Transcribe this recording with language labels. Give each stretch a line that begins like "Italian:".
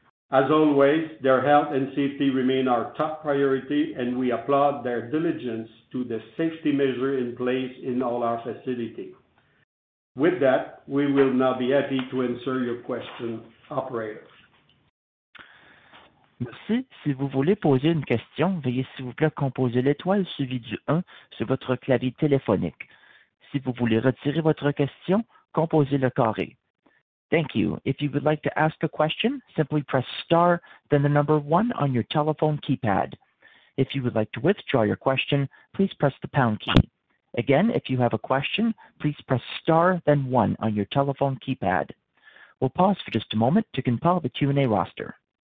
English: As always, their health and safety remain our top priority, and we applaud their diligence to the safety measure in place in all our facilities. With that, we will now be happy to answer your question, operator.
French: Merci. Si vous voulez poser une question, veuillez s'il vous plaît composer l'étoile suivie du 1 sur votre clavier téléphonique. Si vous voulez retirer votre question, composez le carré.
English: Thank you. If you would like to ask a question, simply press star, then the number one on your telephone keypad. If you would like to withdraw your question, please press the pound key. Again, if you have a question, please press star, then one on your telephone keypad. We'll pause for just a moment to compile the Q&A roster.